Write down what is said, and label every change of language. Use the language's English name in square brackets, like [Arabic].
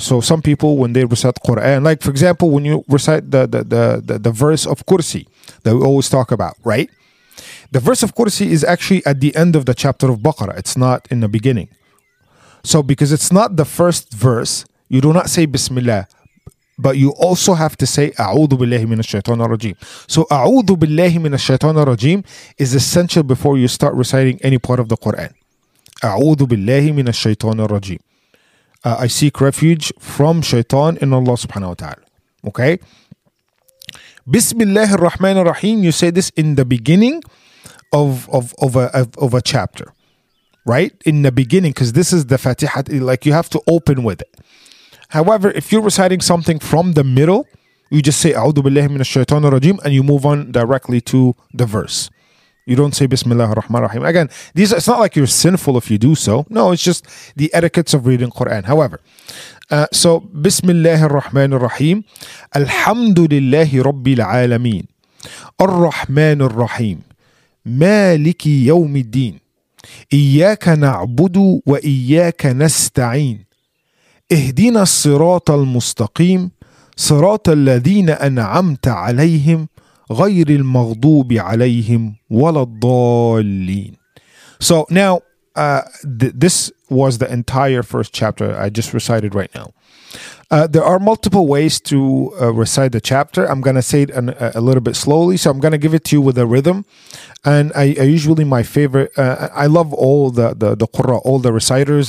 [English] So some people, when they recite Quran, like for example, when you recite the verse of Kursi that we always talk about, right? The verse of Kursi is actually at the end of the chapter of Baqarah. It's not in the beginning. So because it's not the first verse, you do not say Bismillah But you also have to say [Arabic] أعوذ بالله من الشيطان الرجيم. [English] So [Arabic] أعوذ بالله من الشيطان الرجيم [English] is essential before you start reciting any part of the Quran. [Arabic] أعوذ بالله من الشيطان الرجيم. [English] I seek refuge from shaitan in Allah subhanahu wa ta'ala. Okay? [Arabic] بسم الله الرحمن الرحيم. [English] You say this in the beginning of a chapter. Right? In the beginning, because this is the Fatiha, like you have to open with it. However, if you're reciting something from the middle, you just say [Arabic] أعوذ بالله من الشيطان الرجيم [English] and you move on directly to the verse. You don't say [Arabic] بسم الله الرحمن الرحيم. [English] Again, these, it's not like you're sinful if you do so. No, it's just the etiquettes of reading Quran. However, so [Arabic] بسم الله الرحمن الرحيم الحمد لله رب العالمين الرحمن الرحيم مالك يوم الدين إياك نعبد وإياك نستعين اهدنا الصراط المستقيم صراط الذين أنعمت عليهم غير المغضوب عليهم ولا الضالين. [English] So now this was the entire first chapter I just recited right now. There are multiple ways to recite the chapter. I'm going to say it a little bit slowly, so I'm going to give it to you with a rhythm. And I usually my favorite, I love all the Qurra, all the reciters.